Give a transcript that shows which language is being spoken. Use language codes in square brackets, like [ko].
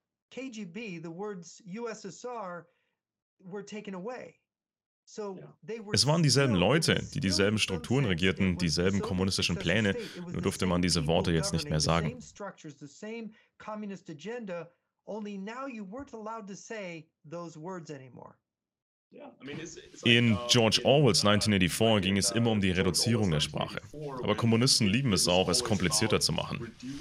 [en] KGB, the words USSR, were taken away. So they were. [de] Es waren dieselben Leute, die dieselben Strukturen regierten, dieselben kommunistischen Pläne, nur durfte man diese Worte jetzt nicht mehr sagen. [en] The same structures, the same communist agenda, only now you weren't allowed to say those words anymore. [de] In George Orwells 1984 ging es immer um die Reduzierung der Sprache. Aber Kommunisten lieben es auch, es komplizierter zu machen.